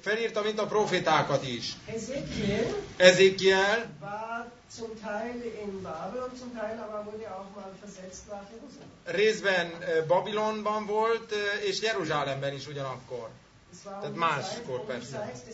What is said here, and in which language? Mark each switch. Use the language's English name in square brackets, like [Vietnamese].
[Hungarian] Felírta, mint a profétákat is. [German] Ezekiel zum Teil in Babylon, zum Teil aber wurde auch mal versetzt nach Jerusalem. [Hungarian] Részben Babilonban volt, és Jeruzsálemben is ugyanakkor. Tehát máskor persze.